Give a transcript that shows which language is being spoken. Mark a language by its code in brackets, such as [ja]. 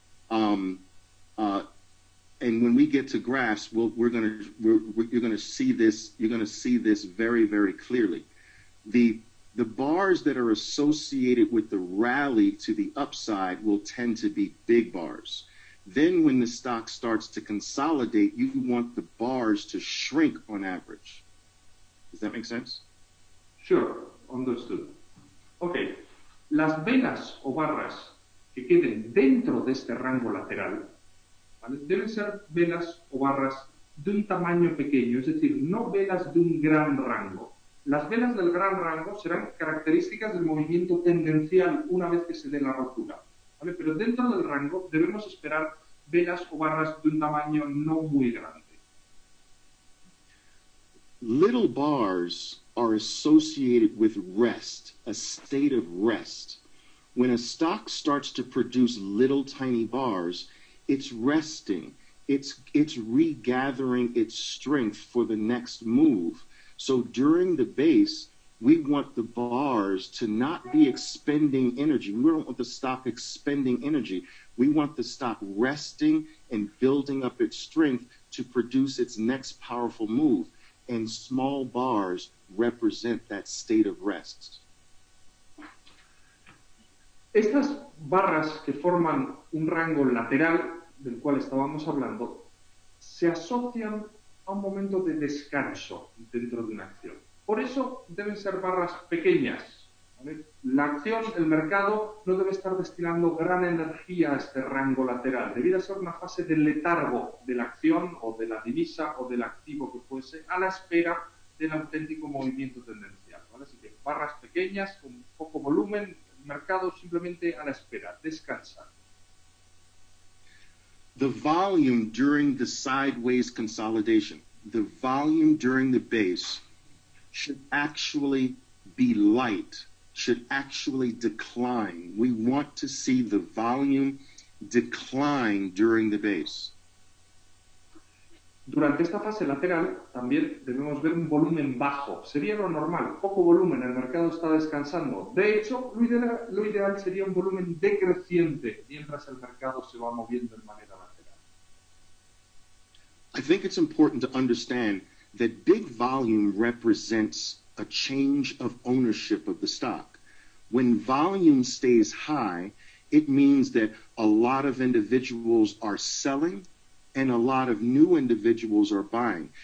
[en] And when we get to graphs, you're going to see this very, very clearly. The bars that are associated with the rally to the upside will tend to be big bars. Then when the stock starts to consolidate, you want the bars to shrink on average. Does that make sense? Sure. Understood. [es] Ok, las velas o barras que queden dentro de este rango lateral, ¿vale?, deben ser velas o barras de un tamaño pequeño, es decir, no velas de un gran rango. Las velas del gran rango serán características del movimiento tendencial una vez que se dé la rotura, ¿vale? Pero dentro del rango debemos esperar velas o barras de un tamaño no muy grande. [en] Little bars are associated with rest, a state of rest. When a stock starts to produce little tiny bars, it's resting. It's regathering its strength for the next move. So during the base, we want the bars to not be expending energy. We don't want the stock expending energy. We want the stock resting and building up its strength to produce its next powerful move. And small bars represent that state of rest. [es] Estas barras que forman un rango lateral del cual estábamos hablando se asocian a un momento de descanso dentro de una acción. Por eso deben ser barras pequeñas, ¿vale? La acción, el mercado, no debe estar destinando gran energía a este rango lateral. Debería ser una fase de letargo de la acción o de la divisa o del activo que fuese a la espera del auténtico movimiento tendencial, ¿vale? Así que barras pequeñas con poco volumen, mercado simplemente a la espera, descansa. [en] The volume during the sideways consolidation, the volume during the base should actually be light, should actually decline. We want to see the volume decline during the base. [es] Durante esta fase lateral también debemos ver un volumen bajo. Sería lo normal, poco volumen, el mercado está descansando. De hecho, lo ideal sería un volumen decreciente mientras el mercado se va moviendo en manera lateral. [en] I think it's important to understand that big volume represents a change of ownership of the stock. When volume stays high, it means that a lot of individuals are selling and a lot of new individuals are buying.